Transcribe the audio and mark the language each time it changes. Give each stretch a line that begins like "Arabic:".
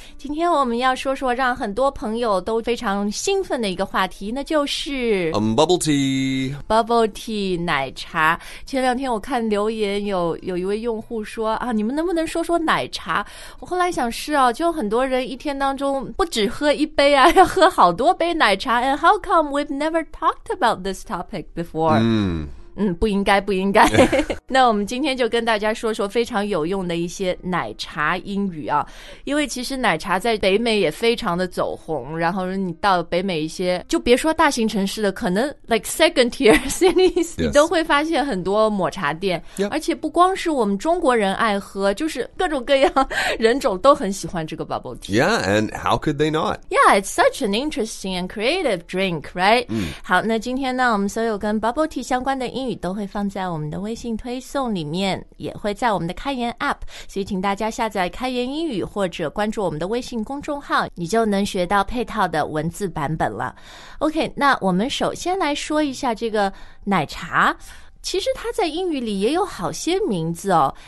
Chinese: 今天我们要说说让很多朋友都非常兴奋的一个话题，那就是、
English: bubble tea. Bubble tea, 奶茶。
Chinese: 前两天我看留言有一位用户说啊，你们能不能说说奶茶？我后来想是啊，就很多人一天当中不只喝一杯啊，要喝好多杯奶茶。
English: And how come we've never talked about this topic before?、
Chinese: 不应该不应该、
English: yeah.
Chinese: 那我们今天就跟大家说说非常有用的一些奶茶英语啊，因为其实奶茶在北美也非常的走红，然后你到北美一些就别说大型城市的，可能
English: like second tier cities、 yes.
Chinese: 你都会发现很多抹茶店、
English: yeah.
Chinese: 而且不光是我们中国人爱喝，就是各种各样人种都很喜欢这个 bubble tea.
English: Yeah, and how could they not? Yeah, it's such an interesting and creative drink, right?、 Mm.
Chinese: 好，那今天呢我们所有跟 bubble tea 相关的英语都会放在我们的微信推送里面，也会在我们的开言 app， 所以请大家下载开言英语或者关注我们的微信公众号，你就能学到配套的文字版本了。 OK， 那我们首先来说一下这个奶茶，其实它在英语里也有好些名字哦。